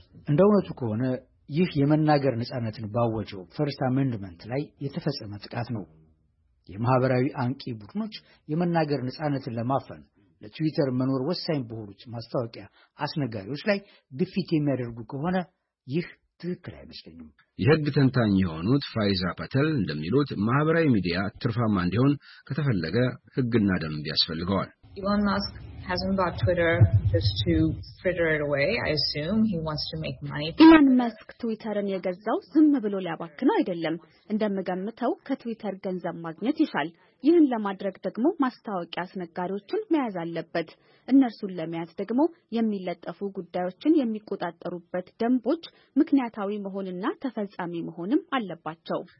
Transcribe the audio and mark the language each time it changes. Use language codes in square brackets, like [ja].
[am] እንደ እውነቱ ከሆነ ይህ የመናገር ነጻነትን ባወጀው ፈርስት አሜንድመንት ላይ የተፈጸመ ጥቃት ነው። የማህበራዊ አንቂ ቡድኖች የመናገር ነጻነትን ለማፈን ለትዊተር መኖር ወሳኝ በሆኑት ማስታወቂያ አስነጋሪዎች ላይ ግፊት የሚያደርጉ ከሆነ ይህ ትክክል አይመስለኝም። የህግ ተንታኝ የሆኑት ፋይዛ ፓተል እንደሚሉት ማህበራዊ ሚዲያ ትርፋማ እንዲሆን ከተፈለገ ህግና ደንብ ያስፈልገዋል። [en] ኢላን መስክ hasn't bought Twitter just to fritter it away. I assume he wants to make money. [am] ኢላን መስክ ትዊተርን የገዛው ዝም ብሎ ሊያባክነው አይደለም። እንደምገምተው ከትዊተር ገንዘብ ማግኘት ይሻል። ይህን ለማድረግ ደግሞ ማስተዋቂያ አስነጋሪዎችን መያዝ አለበት። እነርሱን ለመያዝ ደግሞ የሚለጠፉ ጉዳዮችን የሚቆጣጠሩበት ደንቦች ምክንያታዊ መሆንና ተፈጻሚ መሆንም አለባቸው።